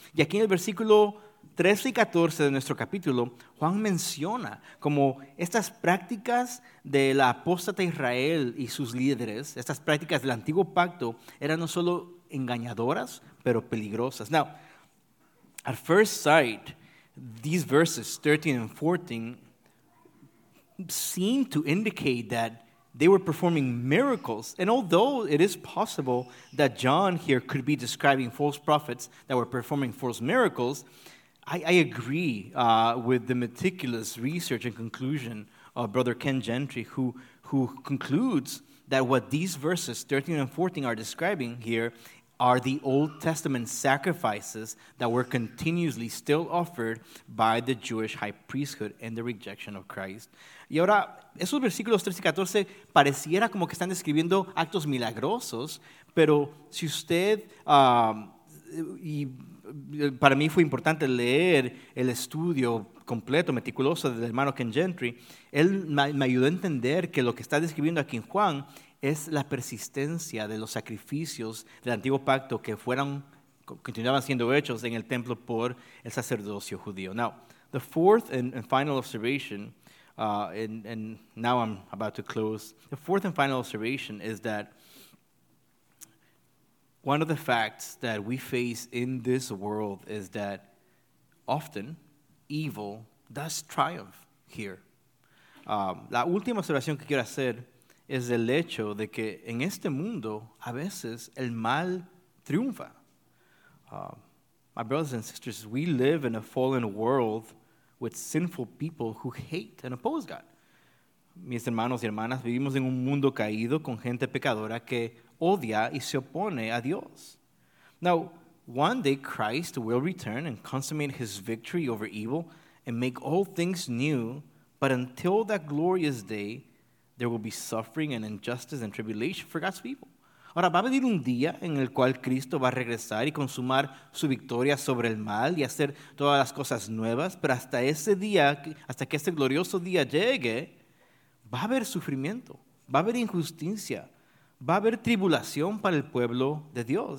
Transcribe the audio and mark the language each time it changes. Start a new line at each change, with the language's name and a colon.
Spanish: Y aquí en el versículo 13 y 14 de nuestro capítulo, Juan menciona como estas prácticas de la apóstata Israel y sus líderes, estas prácticas del antiguo pacto, eran no solo engañadoras, pero peligrosas.
English: Now, at first sight, these verses 13 and 14 seem to indicate that they were performing miracles. And although it is possible that John here could be describing false prophets that were performing false miracles, I agree with the meticulous research and conclusion Brother Ken Gentry, who concludes that what these verses 13 and 14 are describing here are the Old Testament sacrifices that were continuously still offered by the Jewish high priesthood in the rejection of Christ.
Spanish: Y ahora, esos versículos 13 y 14 pareciera como que están describiendo actos milagrosos, pero si usted, y para mí fue importante leer el estudio completo, meticuloso, del hermano Ken Gentry, él me ayudó a entender que lo que está describiendo aquí en Juan es la persistencia de los sacrificios del antiguo pacto que fueron, continuaban siendo hechos en el templo por el sacerdocio judío.
English: Now, the fourth and final observation, and now I'm about to close. The fourth and final observation is that one of the facts that we face in this world is that often evil does triumph here.
Spanish: La última observación que quiero hacer es el hecho de que en este mundo a veces el mal triunfa.
English: My brothers and sisters, we live in a fallen world with sinful people who hate and oppose God.
Spanish: Mis hermanos y hermanas, vivimos en un mundo caído con gente pecadora que odia y se opone a Dios.
English: Now, one day Christ will return and consummate his victory over evil and make all things new, but until that glorious day, there will be suffering and injustice and tribulation for God's people.
Spanish: Ahora, va a venir un día en el cual Cristo va a regresar y consumar su victoria sobre el mal y hacer todas las cosas nuevas, pero hasta ese día, hasta que ese glorioso día llegue, va a haber sufrimiento, va a haber injusticia, va a haber tribulación para el pueblo de Dios.